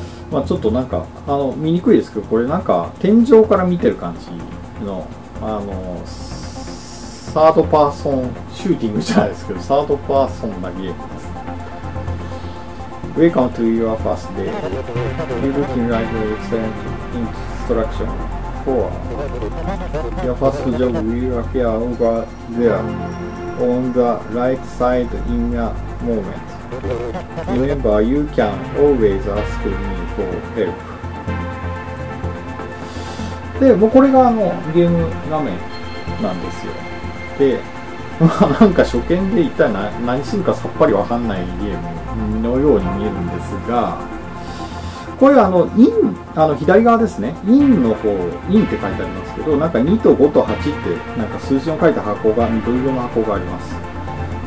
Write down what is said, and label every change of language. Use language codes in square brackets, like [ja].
[ja] まあちょっとなんか、見にくいですけど、これなんか、天井から見てる感じの、サードパーソンシューティングじゃないですけど、サードパーソンなゲームですね。 [en] Welcome to your first day. You're looking like an excellent instructionYour first job will appear over there on the right side in a moment. Remember, you can always ask me for help. [ja] で、もうこれがゲーム画面なんですよ。で、なんか初見で一体何するかさっぱりわかんないゲームのように見えるんですが、これはイン、左側ですね。インの方、インって書いてありますけど、なんか2と5と8って、なんか数字の書いた箱が、緑色の箱があります。